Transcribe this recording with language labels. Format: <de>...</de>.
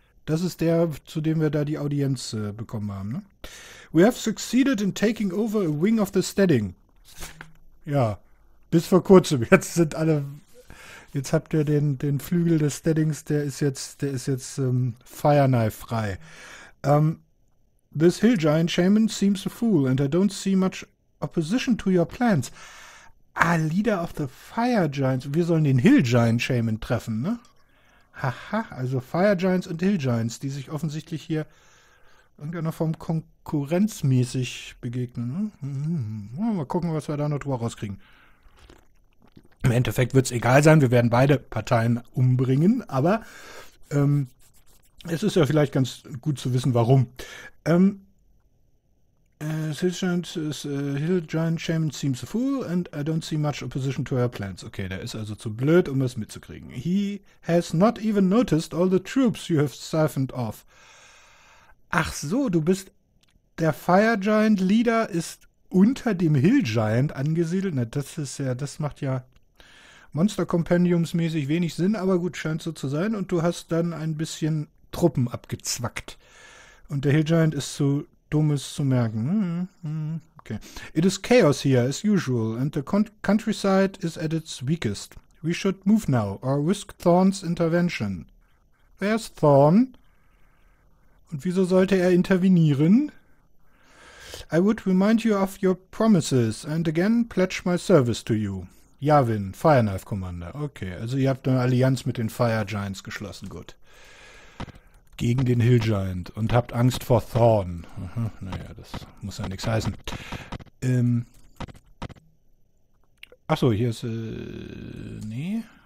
<de>Das ist der, zu dem wir da die Audienz bekommen haben.</de> <en>Ne? We have succeeded in taking over a wing of the Steading.</en> <de>Ja, bis vor kurzem. Jetzt sind alle. Jetzt habt ihr den Flügel des Steadings, der ist jetzt Fireknife frei.</de> <en>This Hill Giant Shaman seems a fool and I don't see much opposition to your plans. Ah, Leader of the Fire Giants.</en> <de>Wir sollen den Hill Giant Shaman treffen, ne? Haha, also Fire Giants und Hill Giants, die sich offensichtlich hier irgendeiner Form konkurrenzmäßig begegnen, ne? Mal gucken, was wir da noch drüber rauskriegen. Im Endeffekt wird es egal sein, wir werden beide Parteien umbringen, aber es ist ja vielleicht ganz gut zu wissen, warum.</de> <en>Hill Giant Shaman seems a fool and I don't see much opposition to our plans.</en> <de>Okay, der ist also zu blöd, um es mitzukriegen.</de> <en>He has not even noticed all the troops you have siphoned off.</en> <de>Ach so, du bist der Fire Giant Leader, ist unter dem Hill Giant angesiedelt. Na, das ist ja, das macht ja. Monster-Kompendiums-mäßig wenig Sinn, aber gut, scheint so zu sein. Und du hast dann ein bisschen Truppen abgezwackt. Und der Hill Giant ist zu dumm, es zu merken. Okay.</de> <en>It is chaos here, as usual, and the countryside is at its weakest. We should move now, or risk Thorns intervention. Where's Thorn?</en> <de>Und wieso sollte er intervenieren?</de> <en>I would remind you of your promises, and again pledge my service to you. Yavin, Fireknife Commander.</en> <de>Okay, also ihr habt eine Allianz mit den Fire Giants geschlossen, gut. Gegen den Hill Giant und habt Angst vor Thorn. Aha, naja, das muss ja nichts heißen. Ach so, hier ist nee.</de>